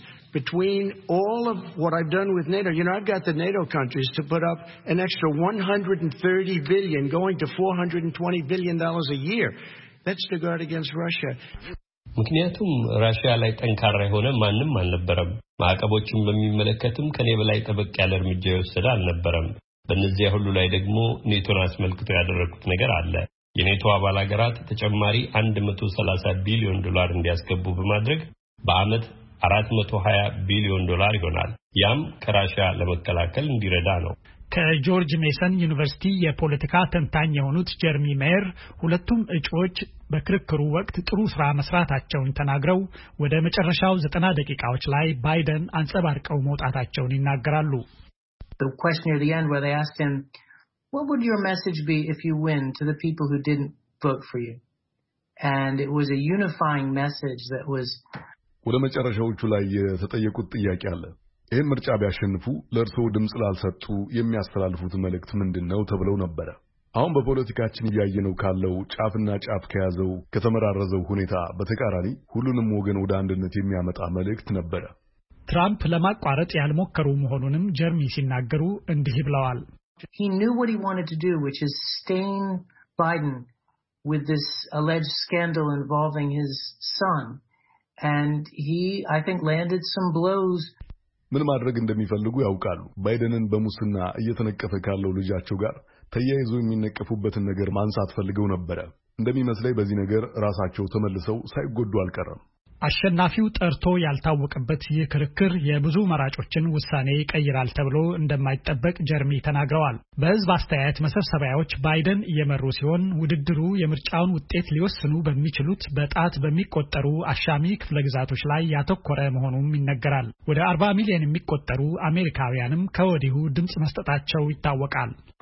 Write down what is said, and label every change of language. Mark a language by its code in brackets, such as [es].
[en] Between all of what I've done with NATO, you know, I've got the NATO countries to put up an extra $130 billion going to $420 billion a year. That's to guard against Russia. [am] ምክንያቱም ራሽያ ላይ ጠንካራ የሆነ ማንም አልነበረም። ማዕቀቦችን በሚመለከትም ከኔ በላይ ጠበቅ ያለ እርምጃ የወሰደ አልነበረም። በእነዚያ ሁሉ ላይ ደግሞ ኔቶን አስመልክቶ ያደረኩት ነገር አለ። የኔቶ አባል አገራት ተጨማሪ $130 billion እንዲያስገቡ በማድረግ በአመት 420 ቢሊዮን ዶላር ይሆናል። ያም ከራሽያ ለመከላከል እንዲረዳ ነው። ከጆርጅ ሜሰን ዩኒቨርሲቲ የፖለቲካ ተንታኝ የሆኑት ጀርሚ ሜየር ሁለቱም እጩዎች በክርክሩ ወቅት ጥሩ ስራ መስራታቸውን ተናግረው ወደ መጨረሻው 90 ደቂቃዎች ላይ ባይደን አንጸባርቀው መውጣታቸውን ይናገራሉ። [en] The question near the end where they asked him, "What would your message be if you win to the people who didn't vote for you?" And it was a unifying message that was [am] ወደ መጨረሻዎቹ ላይ የተጠየቁት ጥያቄ አለ። ይህን ምርጫ ቢያሸንፉ ለርሶ ድምጽ ላልሰጡ የሚያስተላልፉት መልእክት ምንድነው ተብለው ነበር። አሁን በፖለቲካችን እያየነው ካለው ጫፍና ጫፍ ከያዘው ከተመረረዘው ሁኔታ በተቃራኒ ሁሉንም ወገን ወደ አንድነት የሚያመጣ መልእክት ነበር። ትራምፕ ለማቋረጥ ያልሞከሩ መሆኑንም ጀርሚ ሲናገሩ እንዲህ ብለዋል። [en] He knew what he wanted to do, which is stain Biden with this alleged scandal involving his son. And he, I think, landed some blows. [am] ምን ማድረግ እንደሚፈልጉ ያውቃሉ። ባይደንን በሙስና እየተነቀፈ ካለው ልጃቸው ጋር ተያይዞ የሚነቀፉበትን ነገር ማንሳት ፈልገው ነበር። እንደሚመስለኝ በዚህ ነገር ራሳቸው ተመልሰው ሳይጎዱ አልቀረም። አሸናፊው ጠርቶ ያልታወቀበት ይህ ክርክር የብዙ መራጮችን ውሳኔ ይቀይራል ተብሎ እንደማይጠበቅ ጀርሚ ተናግረዋል። በህዝብ አስተያየት መሰብሰቢያዎች ባይደን እየመሩ ሲሆን ውድድሩ የምርጫውን ውጤት ሊወስኑ በሚችሉት በጣት በሚቆጠሩ አሻሚ ክፍለ ግዛቶች ላይ ያተኮረ መሆኑም ይነገራል። ወደ 40 ሚሊዮን የሚቆጠሩ አሜሪካውያንም ከወዲሁ ድምጽ መስጠታቸው ይታወቃል።